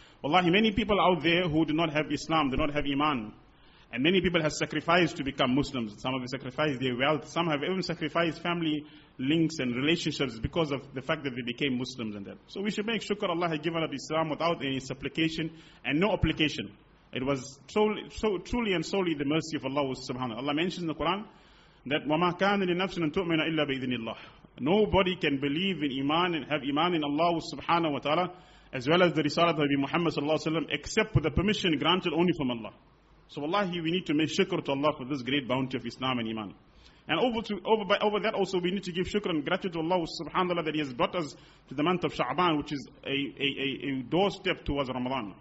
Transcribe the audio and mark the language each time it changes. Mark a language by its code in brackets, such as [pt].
[en] Wallahi, many people out there who do not have Islam, do not have Iman, and many people have sacrificed to become Muslims. Some have sacrificed their wealth, some have even sacrificed family links and relationships because of the fact that they became Muslims and that. So we should make shukr Allah had given up Islam without any supplication and no application. It was truly and solely the mercy of Allah subhanahu wa ta'ala. Allah mentions in the Quran that [ar] وَمَا كَانَ لِنَفْسٍ أَن تُؤْمِنَ إِلَّا بِإِذْنِ اللَّهِ. [en] Nobody can believe in Iman and have Iman in Allah subhanahu wa ta'ala as well as the Risalat of Muhammad sallallahu alayhi wa sallam except with the permission granted only from Allah. So wallahi, we need to make shukr to Allah for this great bounty of Islam and Iman. And over that also, we need to give shukr and gratitude to Allah subhanahu wa ta'ala that He has brought us to the month of Sha'ban, which is a doorstep towards Ramadan.